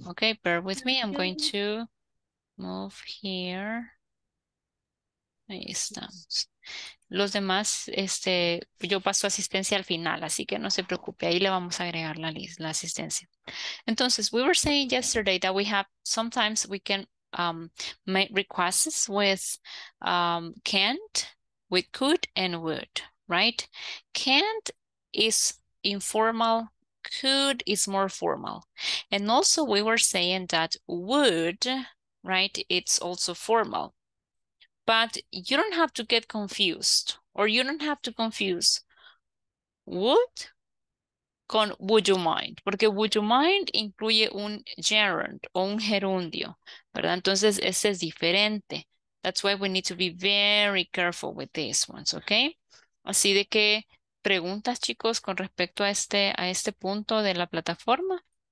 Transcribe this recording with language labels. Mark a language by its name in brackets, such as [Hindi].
[English] Okay, bear with me. I'm going to move here. [Spanish] Ahí estamos. Los demás, yo paso asistencia al final, así que no se preocupe, ahí le vamos a agregar la asistencia. [English] Entonces, we were saying yesterday that we have, sometimes we can make requests with can't, with could and would, right? Can't is informal, could is more formal. And also we were saying that would, right, it's also formal. But you don't have to get confused, or you don't have to confuse would con would you mind, [Spanish] porque [English] would you mind [Spanish] incluye un gerund o un gerundio, ¿verdad? Entonces ese es diferente. [English] That's why we need to be very careful with these ones, okay? [Spanish] Así de que, ¿preguntas, chicos, con respecto a este punto de la plataforma?